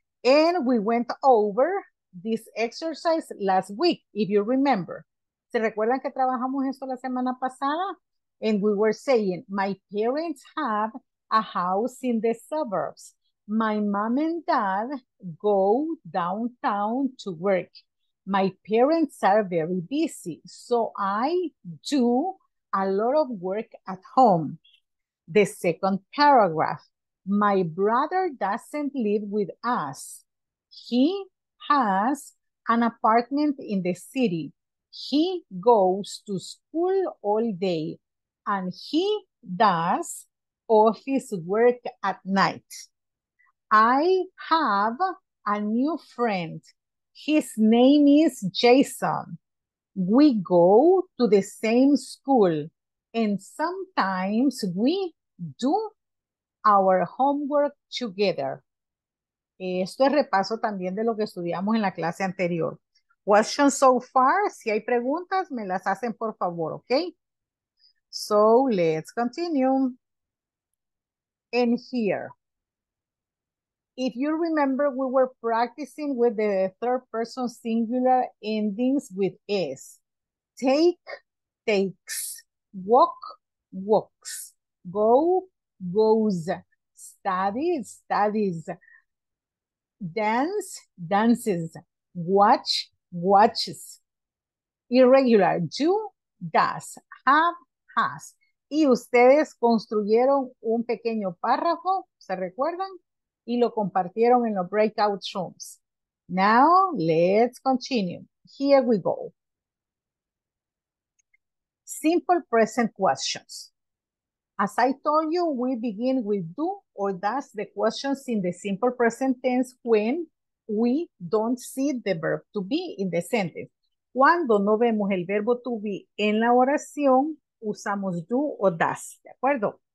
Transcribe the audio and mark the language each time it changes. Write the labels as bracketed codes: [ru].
[en] And we went over this exercise last week, if you remember. [es] ¿Se recuerdan que trabajamos esto la semana pasada? [en] And we were saying, my parents have a house in the suburbs. My mom and dad go downtown to work. My parents are very busy, so I do a lot of work at home. The second paragraph, my brother doesn't live with us. He has an apartment in the city. He goes to school all day and he does office work at night. I have a new friend. His name is Jason. We go to the same school and sometimes we do our homework together. [es] Esto es repaso también de lo que estudiamos en la clase anterior. [en] Questions so far, [es] si hay preguntas, me las hacen por favor, ¿ok? [en] So, let's continue. And here, if you remember, we were practicing with the third person singular endings with S. Take, takes. Walk, walks. Go, goes. Study, studies. Dance, dances. Watch, watches. Irregular, do, does, have, has. [es] Y ustedes construyeron un pequeño párrafo, ¿se recuerdan? Y lo compartieron en los breakout rooms. [en] Now, let's continue. here we go. Simple present questions. As I told you, we begin with do or does the questions in the simple present tense when we don't see the verb to be in the sentence. [es] Cuando no vemos el verbo to be en la oración, usamos do o does, ¿de acuerdo?